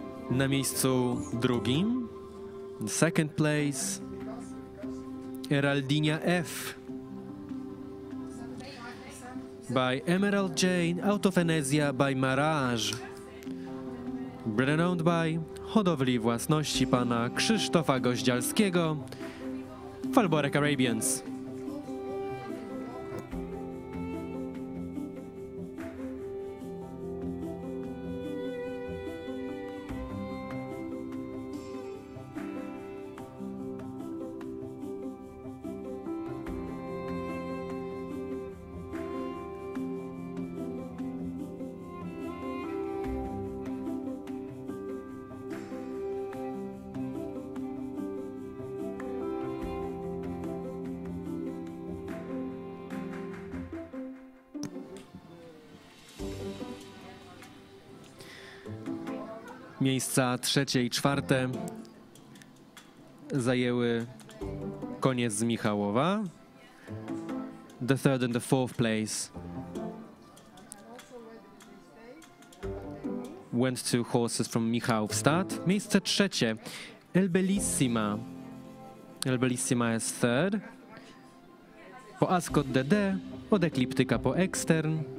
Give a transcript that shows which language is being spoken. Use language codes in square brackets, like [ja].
[pl] Na miejscu drugim, [en] second place, [pl] Eraldinia F. [en] By Emerald Jane, out of Enesia, by Mirage. Bred and Owned By, [pl] hodowli własności pana Krzysztofa Goździalskiego, [en] Falborek Arabians. [pl] Miejsca trzecie i czwarte zajęły konie z Michałowa. [en] The third and the fourth place went to horses from Michałowstad. [pl] Miejsce trzecie, El Bellissima. [en] El Bellissima is third. [pl] Po Ascot DD, od Ekliptyka po Extern.